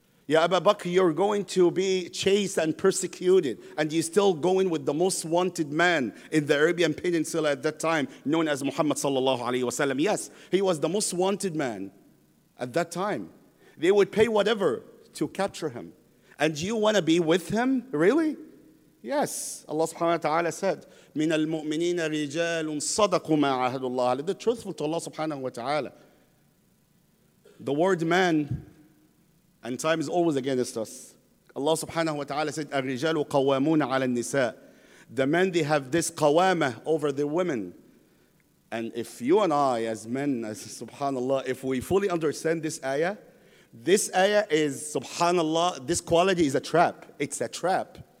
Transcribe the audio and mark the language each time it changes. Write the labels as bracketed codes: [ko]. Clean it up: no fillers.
[en] Ya Abu Bakr, you're going to be chased and persecuted, and you're still going with the most wanted man in the Arabian Peninsula at that time, known as Muhammad Sallallahu Alaihi Wasallam. Yes, he was the most wanted man at that time. They would pay whatever to capture him. And you want to be with him? Really? Yes. [ar] Allah subhanahu wa ta'ala said, مِنَ الْمُؤْمِنِينَ رِجَالٌ صَدَقُوا مَا عَهَدُ اللَّهُ عَلَيْهِ. [en] They're truthful to Allah subhanahu wa ta'ala. The word man, and time is always against us. [ar] Allah subhanahu wa ta'ala said, الرِّجَالُ قَوَّامُونَ عَلَى النِّسَاءِ. [en] The men, they have this قَوَامَة over the women. And if you and I, as men, as subhanallah, if we fully understand this ayah, this ayah is, subhanallah, this quality is a trap. It's a trap.